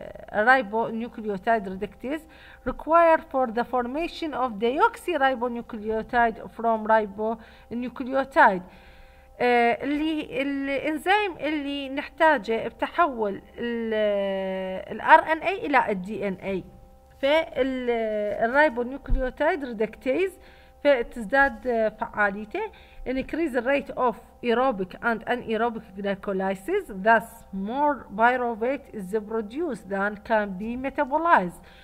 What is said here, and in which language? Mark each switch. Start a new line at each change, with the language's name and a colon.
English: Ribonucleotide reductase required for the formation of deoxyribonucleotide from ribonucleotide.
Arabic: اللي الانزيم اللي نحتاجه بتحول ال RNA الى DNA، فالريبونيوكليوتيد ريدكتيز فتزداد فعاليته.
English: increase the rate of aerobic and anaerobic glycolysis, thus more pyruvate is produced than can be metabolized.